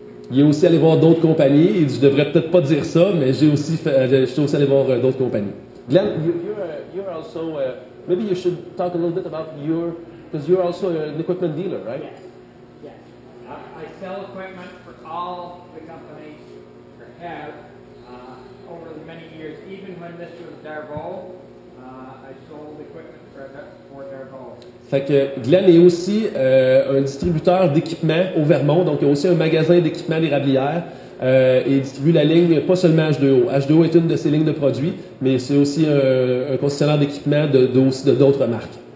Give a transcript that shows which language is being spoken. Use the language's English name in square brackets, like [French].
[French] Il est aussi allé voir d'autres compagnies. Je devrais peut-être pas dire ça, mais je suis aussi allé voir d'autres compagnies. [English] Glenn, you're also maybe you should talk a little bit about your because you're also an equipment dealer, right? Yes. I sell equipment for all the companies or have over the many years. Even when this was Darvaux, I sold equipment for Darvaux. [French] Fait que Glenn est aussi un distributeur d'équipement au Vermont, donc il y a aussi un magasin d'équipement d'érablière. Et il distribue la ligne pas seulement H2O. H2O est une de ses lignes de produits, mais c'est aussi un concessionnaire d'équipement de d'autres marques.